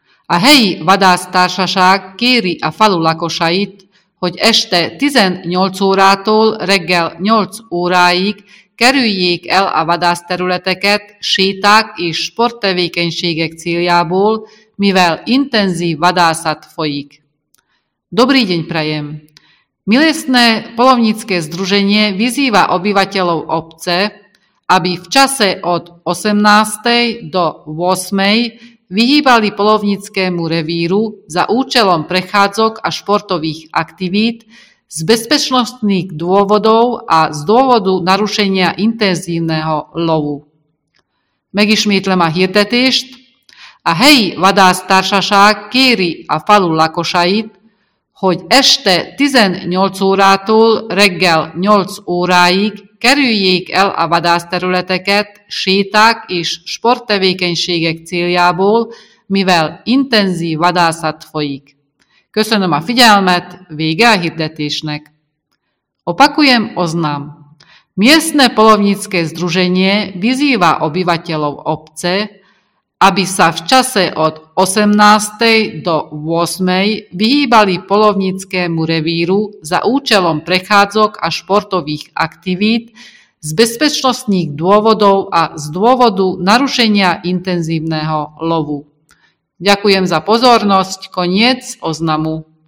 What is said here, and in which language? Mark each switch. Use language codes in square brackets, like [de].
[hu] A helyi vadásztársaság kéri a falu lakosait, hogy este 18 órától reggel 8 óráig kerüljék el a vadászterületeket séták és sporttevékenységek céljából, mivel intenzív vadászat folyik. [sk] Dobrý deň prajem! Milestné polovnícke združenie vyzýva obyvateľov obce, aby v čase od 18. do 8. vyhýbali polovníckému revíru za účelom prechádzok a športových aktivít z bezpečnostných dôvodov a z dôvodu narušenia intenzívneho lovu. [hu] Megismétlem a hirdetést. A helyi vadásztársaság kéri a falu lakosait, hogy este 18 órától reggel 8 óráig kerüljék el a vadászterületeket séták és sporttevékenységek céljából, mivel intenzív vadászat folyik. Köszönöm a figyelmet, vége a hirdetésnek. [sk] Opakujem oznám. Miestne polovnícke združenie vyzýva obyvateľov obce, aby sa v čase od 18. do 8. vyhýbali polovníckému revíru za účelom prechádzok a športových aktivít z bezpečnostných dôvodov a z dôvodu narušenia intenzívneho lovu. Ďakujem za pozornosť. Koniec oznamu.